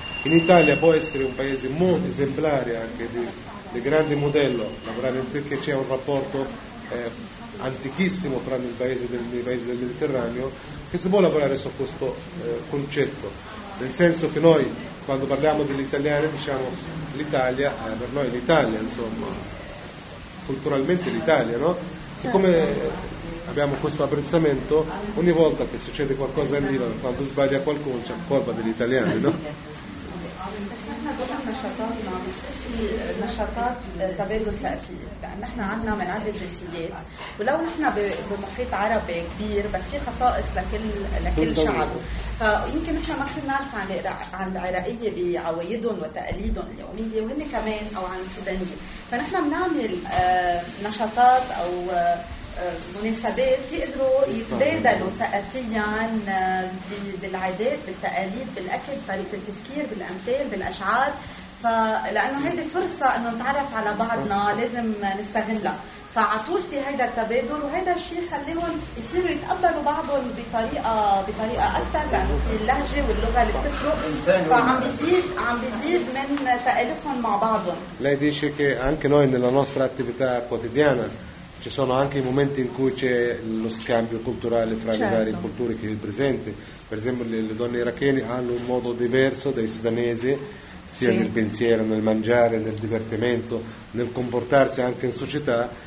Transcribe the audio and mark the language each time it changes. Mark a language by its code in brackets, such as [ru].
[it] In Italia può essere un paese molto esemplare anche di grande modello, lavorare perché c'è un rapporto antichissimo tra i paesi del Mediterraneo, che si può lavorare su questo concetto, nel senso che noi quando parliamo dell'italiano diciamo l'Italia, per noi l'Italia insomma, culturalmente l'Italia, no? Siccome abbiamo questo apprezzamento, ogni volta che succede qualcosa in Libano, quando sbaglia qualcuno c'è colpa degli italiani, no? [ar] احنا ضمن نشاطاتنا في نشاطات تبادل ثقافي، لان احنا عندنا من عدة جنسيات، ولو احنا بمحيط عربي كبير بس في خصائص لكل شعب، فيمكن احنا ما كنا نعرف عن العراقية بعوايدهم وتقاليدهم اليومية، وهن كمان او عن السودانية، فنحن بنعمل نشاطات او مناسبات يقدروا يتبادلوا ثقافيا بالعادات بالتقاليد بالاكل طريقه التفكير بالامثال بالاشعار، فلانه هيدي فرصه انه نتعرف على بعضنا لازم نستغلها، فعطول في هيدا التبادل، وهذا الشيء خليهم يصيروا يتقبلوا بعضهم بطريقه اكثر، لانه في اللهجه واللغه اللي بتفرق، فعم بيزيد من تقاليدهم مع بعضهم. لا دي شيء [it] anche noi nella nostra attività quotidiana ci sono anche i momenti in cui c'è lo scambio culturale fra le varie culture che è presente. Per esempio, le donne irachene hanno un modo diverso dai sudanesi, sia nel pensiero, nel mangiare, nel divertimento, nel comportarsi anche in società.